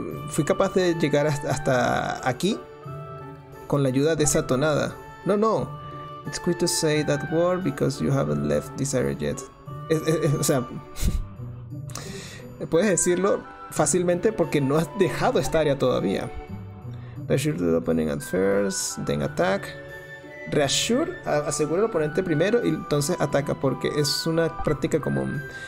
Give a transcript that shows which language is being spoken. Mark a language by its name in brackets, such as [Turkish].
[Spanish] Fui capaz de llegar hasta aquí con la ayuda de esa tonada. No, no. [English] It's quick to say that word because you haven't left this area yet. [Spanish] O sea, puedes decirlo fácilmente porque no has dejado esta área todavía. [English] Reassure the opponent at first, then attack. Reassure, [Spanish] asegura al oponente primero y entonces ataca, porque es una práctica común.